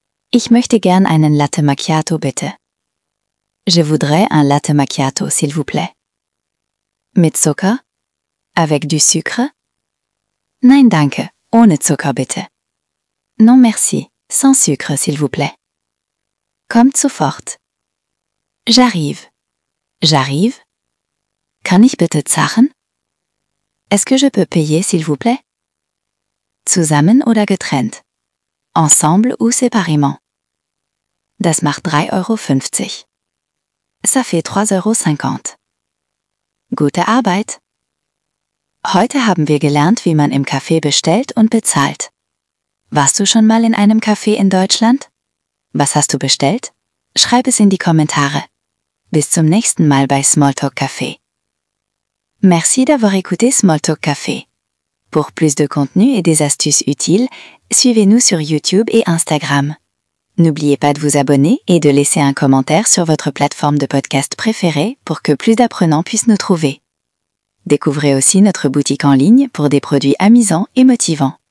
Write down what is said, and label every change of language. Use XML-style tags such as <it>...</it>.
<de>Ich möchte gern einen Latte Macchiato, bitte.</de> <fr>Je voudrais un Latte Macchiato, s'il vous plaît.</fr> <de>Mit Zucker?</de> <fr>Avec du sucre?</fr> <de>Nein, danke. Ohne Zucker, bitte.</de> <fr>Non, merci. Sans sucre, s'il vous plaît.</fr> <de>Kommt sofort.</de> <fr>J'arrive. J'arrive?</fr> <de>Kann ich bitte zahlen?</de> <fr>Est-ce que je peux payer, s'il vous plaît?</fr> <de>Zusammen oder getrennt?</de> <fr>Ensemble ou séparément?</fr> <de>Das macht 3,50 Euro.</de> <fr>Ça fait 3,50 Euro.</fr> <de>Gute Arbeit! Heute haben wir gelernt, wie man im Café bestellt und bezahlt. Warst du schon mal in einem Café in Deutschland? Was hast du bestellt? Schreib es in die Kommentare. Bis zum nächsten Mal bei Smalltalk Café.</de> <fr>Merci d'avoir écouté Smalltalk Café. Pour plus de contenu et des astuces utiles, suivez-nous sur YouTube et Instagram. N'oubliez pas de vous abonner et de laisser un commentaire sur votre plateforme de podcast préférée pour que plus d'apprenants puissent nous trouver. Découvrez aussi notre boutique en ligne pour des produits amusants et motivants.</fr>